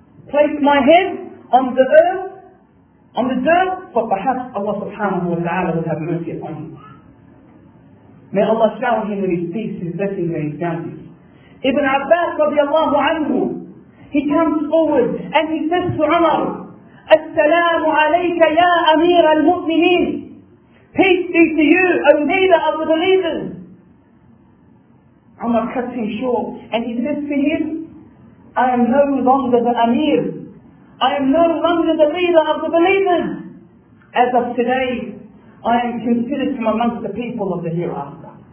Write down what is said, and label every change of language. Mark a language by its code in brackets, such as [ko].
[en] Place my head on the earth, on the dirt, for perhaps Allah subhanahu wa ta'ala will have mercy upon him." May Allah shower him with his peace, his blessings and his bounties. Ibn Abbas radiallahu anhu, he comes forward and he says to Umar, [ar] السلام عليك يا أمير المؤمنين. [en] Peace be to you, O leader of the believers. Umar cuts him short and he says to him, I am no longer the Amir. I am no longer the leader of the believers. As of today, I am considered from amongst the people of the hereafter.